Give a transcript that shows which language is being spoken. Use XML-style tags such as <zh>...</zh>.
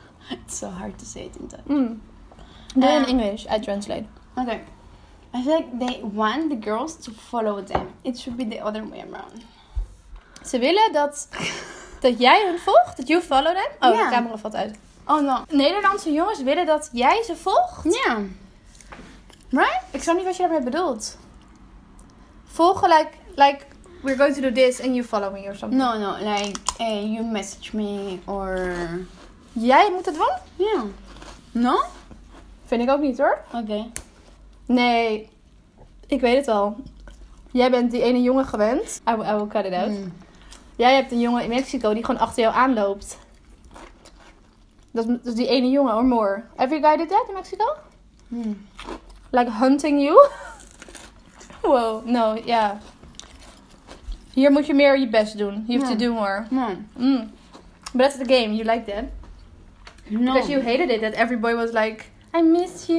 <en>It's so hard to say it in Dutch. Mm. In English, I translate. Okay. I feel like they want the girls to follow them. It should be the other way around.</en> <nl>Ze willen dat, dat jij hun volgt, dat</nl> <en>you follow them. Oh, yeah.</en> <nl>De camera valt uit.</nl> <en>Oh no.</en> <nl>Nederlandse jongens willen dat jij ze volgt? Ja. Yeah.</nl> <en>Right?</en> <nl>Ik snap niet wat je daarmee bedoelt.</nl> <en>Volgen, like, we're going to do this and you follow me or something. No, like, you message me or...</en> <nl>Jij moet het doen?</nl> <en>Ja. Yeah. No?</en> <nl>Vind ik ook niet hoor. Oké. Okay. Nee, ik weet het al. Jij bent die ene jongen gewend.</nl> <en>I will cut it out. Mm.</en> <nl>Jij hebt een jongen in Mexico die gewoon achter jou aanloopt. Dat is die ene jongen</nl> <en>or more. Every guy did that in Mexico? Mm. Like hunting you? Wow, no, ja. Yeah.</en> <nl>Hier moet je meer je best doen.</nl> <en>You have to do more. Yeah. Mm. But that's the game, you like that. No. Because you hated it, that every boy was like, I miss you.</en>